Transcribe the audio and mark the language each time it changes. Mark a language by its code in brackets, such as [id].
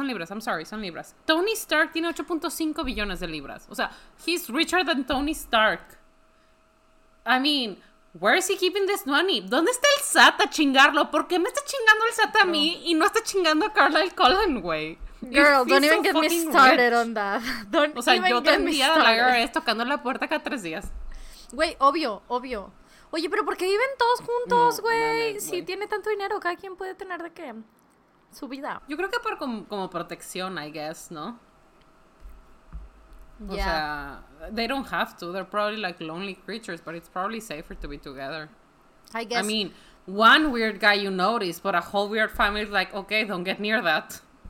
[es] I'm sorry, son libras. Tony Stark tiene 8.5 billones de libras. O sea, [en] he's richer than Tony Stark. I mean... Where is he keeping this money? [es] ¿Dónde está el SAT a chingarlo? ¿Por qué me está chingando el SAT a mí y no está chingando a Carlisle Cullen, güey? [en] Girl, don't even get me started on that. [es] O sea, yo tendría a la IRS tocando la puerta cada 3 días. Güey, obvio. Oye, pero ¿por qué viven todos juntos, güey? Si tiene tanto dinero, cada quien puede tener de qué su vida. Yo creo que por como protección, [en] I guess, [es] ¿no? [en] Yeah. [es] O sea, [en] they don't have to. They're probably like lonely creatures, but it's probably safer to be together. I guess. I mean, one weird guy you notice, but a whole weird family is like, okay, don't get near that.